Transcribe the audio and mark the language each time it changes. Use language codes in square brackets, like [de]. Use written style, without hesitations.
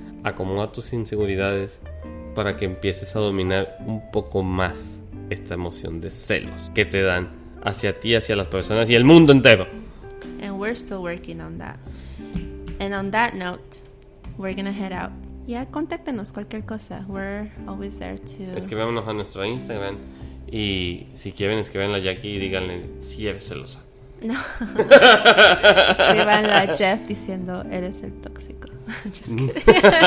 [es] Acomoda tus inseguridades para que empieces a dominar un poco más esta emoción de celos que te dan hacia ti, hacia las personas y el mundo entero. [en] And we're still working on that. And on that note, we're going to head out. Yeah, [es] contáctenos cualquier cosa. [en] We're always there to... [es] Escríbanos a nuestro Instagram. Y si quieren, escríbanla a Jackie y díganle si eres celosa. No. Escríbanla a Jeff diciendo, eres el tóxico. [en] Just kidding.